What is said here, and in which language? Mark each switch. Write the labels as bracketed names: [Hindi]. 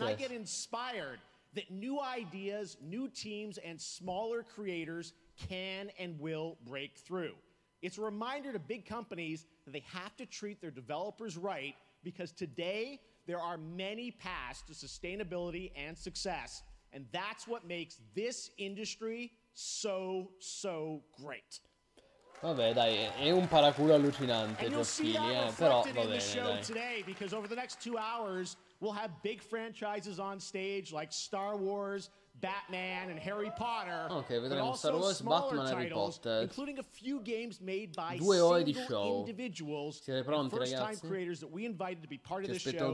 [English] And I get inspired that new ideas, new teams and smaller creators can and will break through. It's a reminder to big companies that they have to treat their developers right because today there are many paths to sustainability and success, and that's what makes this industry so, so great. [Italian] Vabbè, dai, è un paraculo allucinante, Giochini, però va bene, [English] in the show [Italian] dai. [English] Today because over the next 2 hours we'll have big franchises on stage like Star Wars, Batman and Harry Potter. [Italian] Okay, vedremo Star Wars, Batman e Harry Potter. [English] Including a few games made by [Italian] due ore di show. [English] Individuals. [Italian] Siete pronti, ragazzi? [English] First time creators that we invited to be part of this show.